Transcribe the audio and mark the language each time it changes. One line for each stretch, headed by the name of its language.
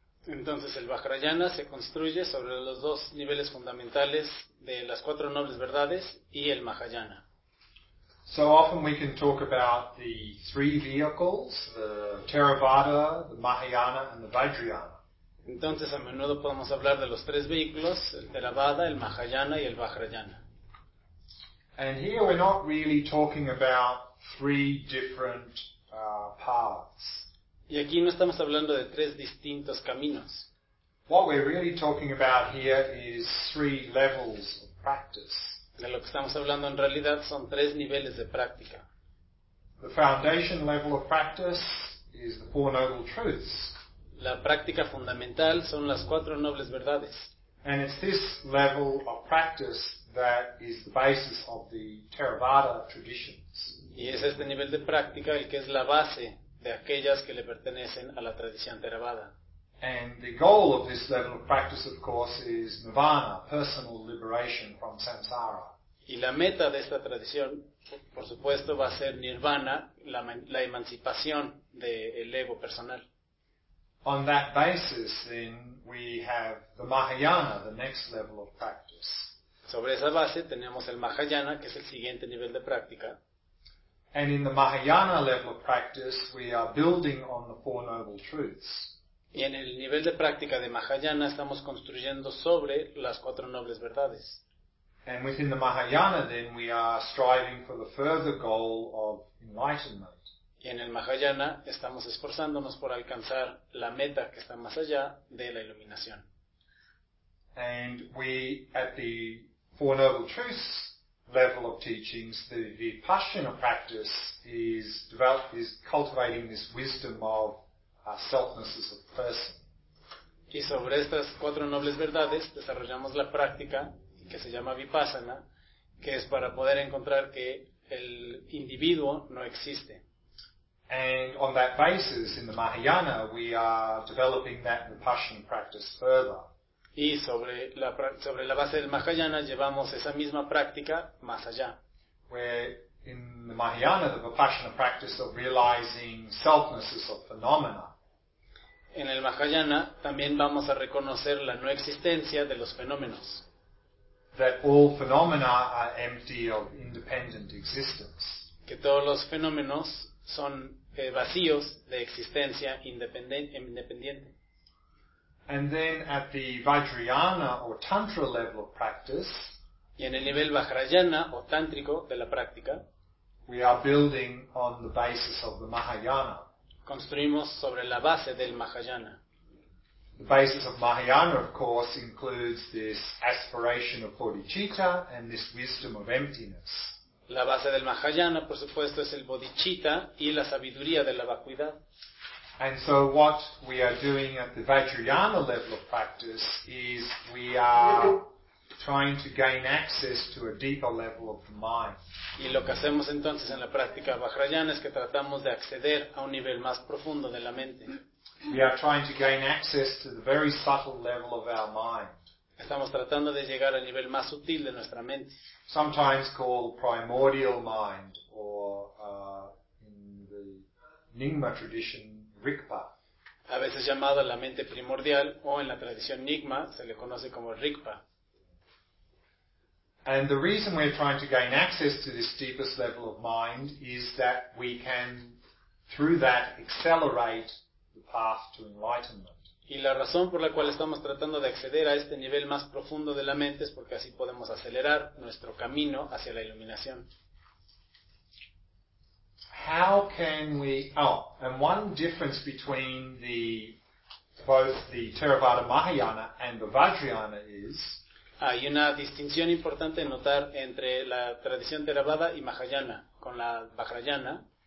Spanish: Entonces el Vajrayana se construye sobre los dos niveles fundamentales de las cuatro nobles verdades y el Mahayana.
English: So often we can talk about the three vehicles, the Theravada, the Mahayana, and the Vajrayana.
Spanish: Entonces a menudo podemos hablar de los tres vehículos, el Theravada, el Mahayana y el Vajrayana.
English: And here we're not really talking about three different paths.
Spanish: Y aquí no estamos hablando de tres distintos caminos.
English: What we're really talking about here is three levels of practice.
Spanish: De lo que estamos hablando en realidad son tres niveles de práctica.
English: The foundation level of practice is the Four Noble Truths.
Spanish: La práctica fundamental son las cuatro nobles verdades.
English: And it's this level of practice that is the basis of the Theravada traditions.
Spanish: Y es este nivel de práctica el que es la base de aquellas que le pertenecen a la tradición Theravada.
English: And the goal of this level of practice, of course, is nirvana, personal liberation from samsara.
Spanish: Y la meta de esta tradición, por supuesto, va a ser nirvana, la emancipación del ego personal.
English: On that basis, then, we have the Mahayana, the next level of practice.
Spanish: Sobre esa base tenemos el Mahayana, que es el siguiente nivel de práctica.
English: And in the Mahayana level of practice, we are building on the Four Noble Truths.
Spanish: Y en el nivel de práctica de Mahayana estamos construyendo sobre las cuatro nobles verdades.
English: And within the Mahayana, then, we are striving for the further goal of enlightenment.
Spanish: Y en el Mahayana estamos esforzándonos por alcanzar la meta que está más allá de la iluminación.
English: And we, at the Four Noble Truths level of teachings, the Vipassana practice is cultivating this wisdom of selfness as a person.
Spanish: Y sobre estas cuatro nobles verdades desarrollamos la práctica que se llama Vipassana, que es para poder encontrar que el individuo no existe.
English: And on that basis, in the Mahayana, we are developing that Vipassana practice further.
Spanish: Y sobre la base del Mahayana llevamos esa misma práctica más allá.
English: Where in the Mahayana, the Vipassana practice of realizing selfness as a phenomena.
Spanish: En el Mahayana también vamos a reconocer la no existencia de los fenómenos.
English: That all phenomena are empty of independent existence.
Spanish: Que todos los fenómenos son vacíos de existencia independiente.
English: And then at the Vajrayana or Tantra level of practice,
Spanish: y en el nivel Vajrayana o tántrico de la práctica,
English: we are building on the basis of the Mahayana.
Spanish: Construimos sobre la base del Mahayana.
English: The basis of Mahayana, of course, includes this aspiration of bodhicitta and this wisdom of emptiness.
Spanish: La base del Mahayana, por supuesto, es el bodhicitta y la sabiduría de la vacuidad.
English: And so what we are doing at the Vajrayana level of practice is we are trying to gain access to a deeper level of the mind.
Spanish: Y lo que hacemos entonces en la práctica Vajrayana es que tratamos de acceder a un nivel más profundo de la mente.
English: We are trying to gain access to the very subtle level of our mind.
Spanish: Estamos tratando de llegar al nivel más sutil de nuestra mente.
English: Sometimes called primordial mind, or in the Nyingma tradition, Rigpa.
Spanish: A veces llamada la mente primordial, o en la tradición Nyingma se le conoce como Rigpa.
English: And the reason we're trying to gain access to this deepest level of mind is that we can, through that, accelerate the path to enlightenment.
Spanish: Y la razón por la cual estamos tratando de acceder a este nivel más profundo de la mente es porque así podemos acelerar nuestro camino hacia la iluminación.
English: How can we... Oh, and one difference between the both the Theravada Mahayana and the Vajrayana is.
Spanish: Hay una distinción importante de notar entre la tradición Theravada y Mahayana con la Vajrayana.